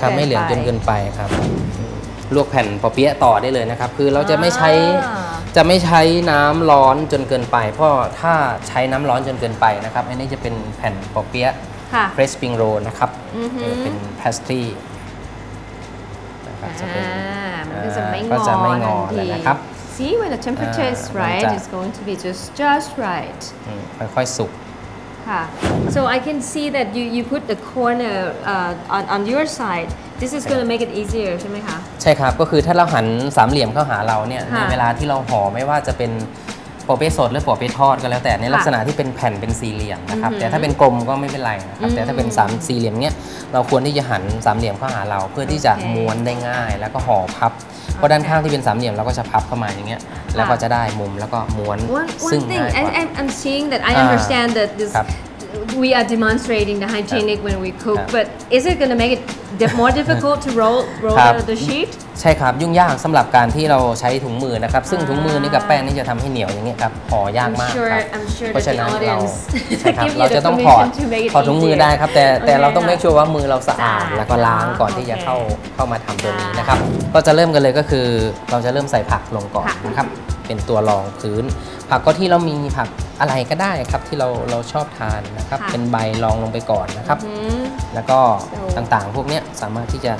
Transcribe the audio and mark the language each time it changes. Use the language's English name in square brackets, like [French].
[Thai] ครับไม่เหลืองจนเกินไปครับลวกแผ่นปอเปี๊ยะต่อได้เลยนะครับคือเราจะไม่ใช้น้ำร้อนจนเกินไปเพราะถ้าใช้น้ำร้อนจนเกินไปนะครับอันนี้จะเป็นแผ่นปอเปี๊ย ะ เพรสปิงโรนะครับเป็ นพาสตรี นะครับจะเป็นก็จะไม่งอนะครับ [English] See when the temperature is right it's going to be just right [Thai] ค่อยๆสุก [English] So I can see that you put the corner on your side. This is going to make it easier, [Thai] ใช่ไหมคะ ใช่ครับก็คือถ้าเราหันสามเหลี่ยมเข้าหาเราเนี่ยในเวลาที่เราห่อไม่ว่าจะเป็นปอเปี๊ยะสดหรือปอเปี๊ยะทอดก็แล้วแต่ในลักษณะที่เป็นแผ่นเป็นสี่เหลี่ยมนะครับแต่ถ้าเป็นกลมก็ไม่เป็นไรนะครับแต่ถ้าเป็นสามสี่เหลี่ยมเนี้ยเราควรที่จะหันสามเหลี่ยมเข้าหาเราเพื่อที่จะม้วนได้ง่ายแล้วก็ห่อพับเพราะด้านข้างที่เป็นสามเหลี่ยมเราก็จะพับเข้ามาอย่างเงี้ยแล้วก็จะได้มุมแล้วก็ม้วนซึ่งง่ายกว่า [English] I'm seeing that I understand that this we are demonstrating the hygienic when we cook but is it going to make it more difficult to roll out the sheet [Thai] ใช่ครับยุ่งยากสำหรับการที่เราใช้ถุงมือนะครับซึ่งถุงมือนี่กับแป้งนี่จะทำให้เหนียวอย่างเงี้ยครับห่อยากมากครับ เพราะฉะนั้ นเราจะต้องถอดถุงมือได้ครับแต่เราต้องเมคชัวร์ว่ามือเราสะอาดแล้วก็ล้างก่อนที่จะเข้ามาทำตัวนี้นะครับก็จะเริ่มกันเลยก็คือเราจะเริ่มใส่ผักลงก่อนนะครับเป็นตัวรองพื้นผักก็ที่เรามีผักอะไรก็ได้ครับที่เราชอบทานนะครับเป็นใบรองลงไปก่อนนะครับแล้วก็ ต่างๆพวกเนี้ยสามารถที่จะ